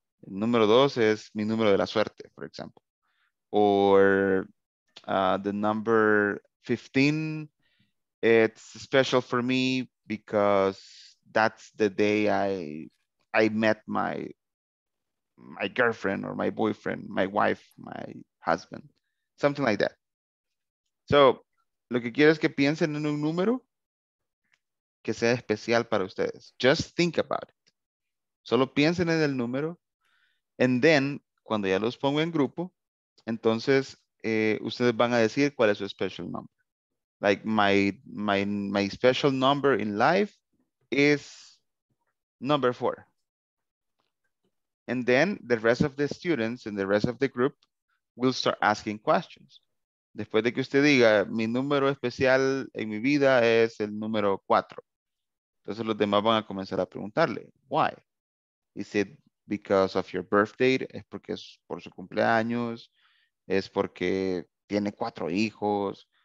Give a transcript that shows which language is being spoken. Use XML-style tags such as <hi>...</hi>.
<es>Número dos es mi número de la suerte,</es> <en>for example. Or the number 15, it's special for me because that's the day I met my girlfriend or my boyfriend, my wife, my husband, something like that.</en> <es>So, lo que quiero es que piensen en un número que sea especial para ustedes.</es> <en>Just think about it.</en> <es>Solo piensen en el número.</es> <en>And then,</en> <es>cuando ya los pongo en grupo, entonces ustedes van a decir cuál es su</es> <en>special number. Like my special number in life is number 4. And then the rest of the students and the rest of the group will start asking questions.</en> <es>Después de que usted diga, mi número especial en mi vida es el número 4. Entonces los demás van a comenzar a preguntarle,</es> <en>why? Is it because of your birth date?</en> <es>¿Es porque es por su cumpleaños? ¿Es porque tiene 4 hijos?</es>